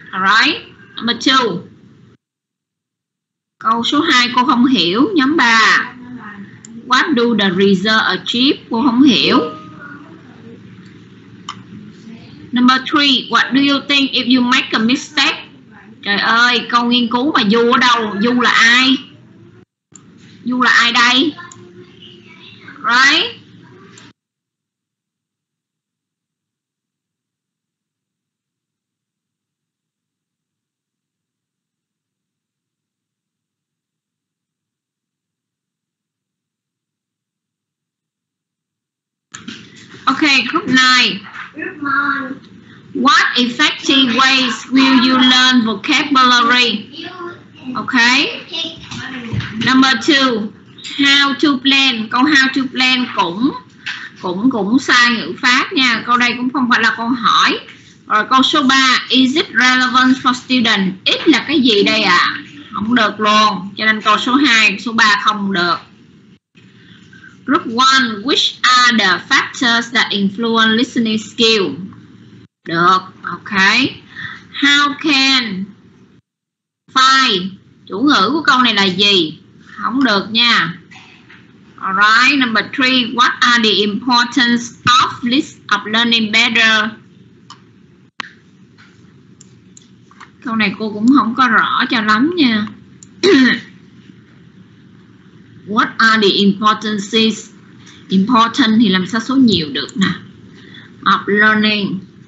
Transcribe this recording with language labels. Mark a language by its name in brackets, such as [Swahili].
[English] Alright. Number 2. [Vietnamese] Câu số 2 cô không hiểu. Nhóm 3. [English] What do the result achieve? [Vietnamese] Cô không hiểu. [English] Number 3. What do you think if you make a mistake? [Vietnamese] Trời ơi, câu nghiên cứu mà Du ở đâu? Du là ai? Du là ai đây? Right? [English] Ok, group 9. What effective ways will you learn vocabulary? Okay. Number 2, how to plan. [Vietnamese] Câu how to plan cũng sai ngữ pháp nha. Câu đây cũng không phải là câu hỏi. Rồi câu số 3, [English] is it relevant for student? [Vietnamese] Ít là cái gì đây ạ? Không được luôn. Cho nên câu số 2, số 3 không được. [English] Group 1, which are the factors that influence listening skill? [Vietnamese] Được, ok. [English] How can find, [Vietnamese] chủ ngữ của câu này là gì? Không được nha. [English] Alright, number 3. What are the importance of list of learning better? [Vietnamese] Câu này cô cũng không có rõ cho lắm nha. [English] What are the importances? [Vietnamese] Important thì làm sao số nhiều được nè. Of learning.